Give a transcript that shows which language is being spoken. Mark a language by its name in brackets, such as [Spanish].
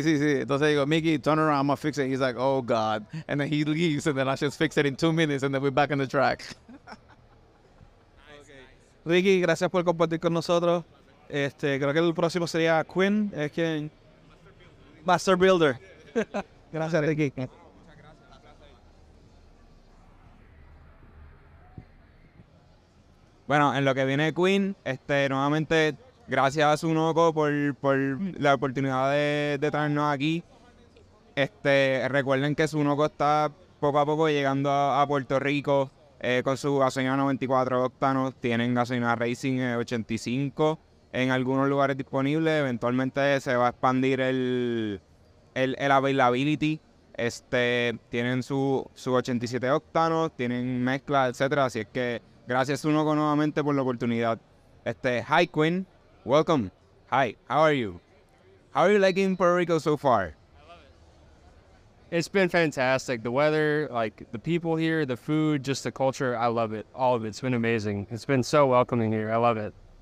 [Spanish] Entonces digo, [English] Mickey, turn around, I'm gonna fix it. He's like, oh, God. And then he leaves, and then I just fix it in 2 minutes, and then we're back on the track. [Spanish] Ricky, gracias por compartir con nosotros. Creo que el próximo sería Quinn, es quien... Master Builder. Gracias, Ricky. Bueno, en lo que viene Quinn, nuevamente, gracias a Sunoco por la oportunidad de traernos aquí. Recuerden que Sunoco está poco a poco llegando a Puerto Rico con su gasolina 94 octanos. Tienen gasolina Racing 85 en algunos lugares disponibles. Eventualmente se va a expandir el availability. Tienen su 87 octanos, tienen mezcla, etcétera. Así es que gracias Sunoco nuevamente por la oportunidad. [English] Hi Quinn, welcome. Hi, how are you? How are you liking Puerto Rico so far? I love it. It's been fantastic. The weather, like the people here, the food, just the culture, I love it. All of it, it's been amazing. It's been so welcoming here, I love it.